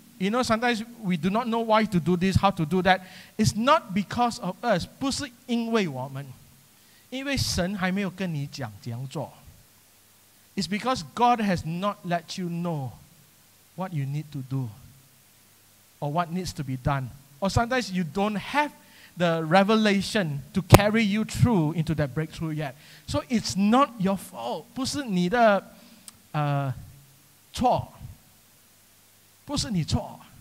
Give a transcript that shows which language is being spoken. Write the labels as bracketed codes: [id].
[en] You know, sometimes we do not know why to do this, how to do that. It's not because of us. [zh] 不是因为我们。因为神还没有跟你讲怎样做。 [en] It's because God has not let you know what you need to do. Or what needs to be done. Or sometimes you don't have the revelation to carry you through into that breakthrough yet. So it's not your fault. [zh] 不是你的错。不是你错。